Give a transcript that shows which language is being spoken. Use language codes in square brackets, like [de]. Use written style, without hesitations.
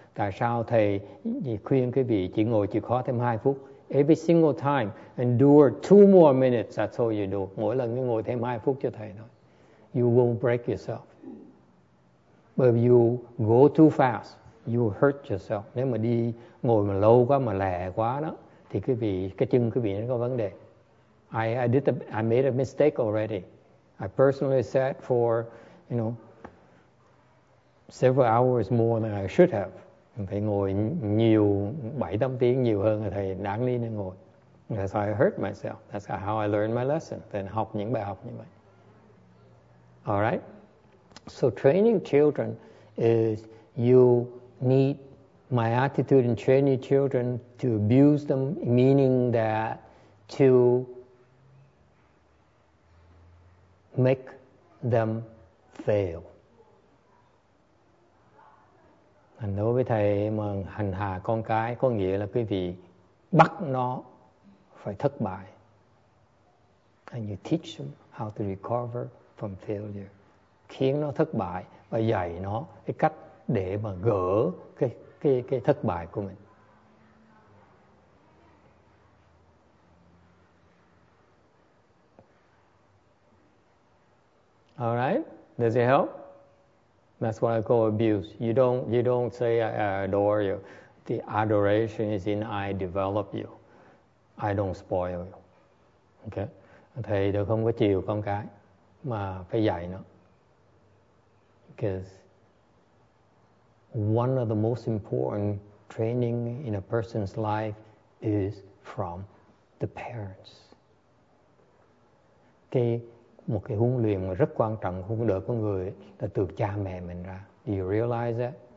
[vi] Tại sao thầy khuyên quý vị chỉ ngồi chỉ khó thêm 2 phút? [en] Every single time, endure 2 more minutes, that's all you do. [vi] Mỗi lần cứ ngồi thêm 2 phút cho thầy thôi. [en] You won't break yourself. But if you go too fast, you hurt yourself. [vi] Nếu mà đi ngồi mà lâu quá, mà lẹ quá đó, thì quý vị, cái chân quý vị nó có vấn đề. [en] I made a mistake already. I personally sat for, several hours more than I should have. [vi] Thầy ngồi nhiều, 7-8 tiếng nhiều hơn là thầy đáng lý nên ngồi. [en] That's how I hurt myself. That's how I learned my lesson. Then [vi] học những bài học như vậy. [en] All right? So training children is you need my attitude in training children to abuse them, meaning that to make them fail. [vi] Đối với thầy mà hành hạ con cái có nghĩa là quý vị bắt nó phải thất bại. [en] And you teach them how to recover from failure. [vi] Khiến nó thất bại và dạy nó cái cách để mà gỡ cái thất bại của mình. [en] All right? Does it help? That's what I call abuse. You don't say I adore you. The adoration is in I develop you. I don't spoil you. Okay? [vi] Thầy đâu không có chiều con cái mà phải dạy nó. [en] Because one of the most important training in a person's life is from the parents. Okay? [vi] Một cái huấn luyện mà rất quan trọng huấn đời của người ấy, là từ cha mẹ mình ra. [en] Do you realize that?